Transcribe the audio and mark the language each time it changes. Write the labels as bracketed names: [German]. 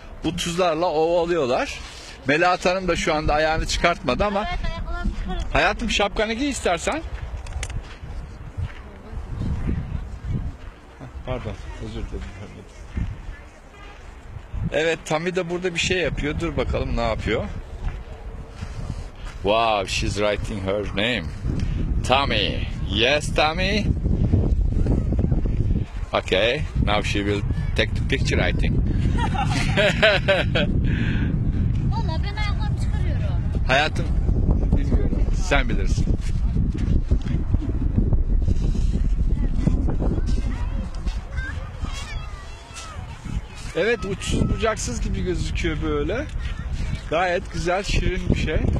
[Turkish] Bu tuzlarla ovalıyorlar. Melahat Hanım da şu anda ayağını çıkartmadı ama. Hayatım şapkanı giy istersen. Pardon, özür dilerim. Evet, Tami de burada bir şey yapıyor. Dur bakalım ne yapıyor. [English] Wow, she's writing her name. Tami. Yes, Tami. Okay, now she will take the picture, I think. [Turkish] Valla ben ayaklarımı çıkarıyorum. Hayatım, bilmiyorum. Sen bilirsin. Evet, uçsuz bucaksız gibi gözüküyor böyle. Gayet güzel, şirin bir şey.